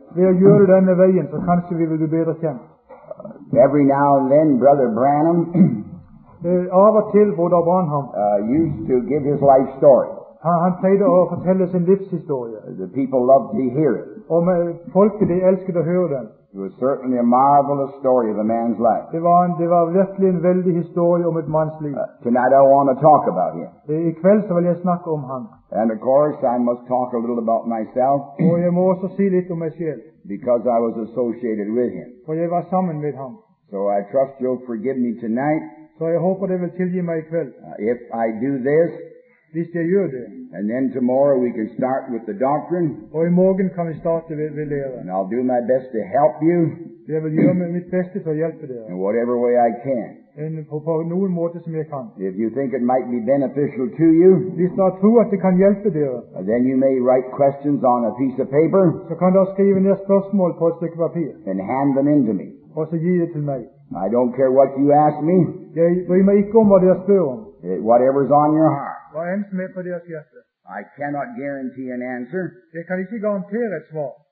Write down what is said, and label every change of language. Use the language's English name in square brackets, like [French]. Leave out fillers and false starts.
[Norwegian] Ved å gjøre det denne veien, så kanskje vi vil bli bedre kjent. [English] Every now and then, Brother Branham used to give his life story. [Norwegian] Han pleide å fortelle sin livshistorie. [English] The people loved to hear it. [Norwegian] Og folket, de elsket å høre den. [English] It was certainly a marvelous story of a man's life. [Norwegian] Det var virkelig en veldig historie om et manns liv. [English] Tonight I want to talk about him. [Norwegian] I kveld så vil jeg snakke om han. [English] And of course I must talk a little about myself. [Norwegian] Og jeg må også si litt om meg selv. [English] Because I was associated with him. [Norwegian] For jeg var sammen med ham. [English] So I trust you'll forgive me tonight. [Norwegian] Så jeg håper du vil tilgi meg i kveld. [English] If I do this. [Norwegian] Hvis jeg gjør det. [English] And then tomorrow we can start with the doctrine. [Norwegian] Og i morgen kan vi starte ved lære. [English] And I'll do my best to help you. [Norwegian] Jeg vil gjøre mitt beste for å hjelpe dere. [English] In whatever way I can. [Norwegian] På noen måte som jeg kan. [English] If you think it might be beneficial to you, [Norwegian] hvis du tror at det kan hjelpe dere, [English] then you may write questions on a piece of paper, [Norwegian] så kan du skrive ned spørsmål på et stykke papir, [English] and hand them in to me. [Norwegian] Og så gi det til meg. [English] I don't care what you ask me. [Norwegian] Jeg bryr meg ikke om hva dere spør om. [English] Whatever's on your heart. [Norwegian] Hva enn som er på deres hjerte. [English] I cannot guarantee an answer. [Norwegian] Jeg kan ikke garantere et svar.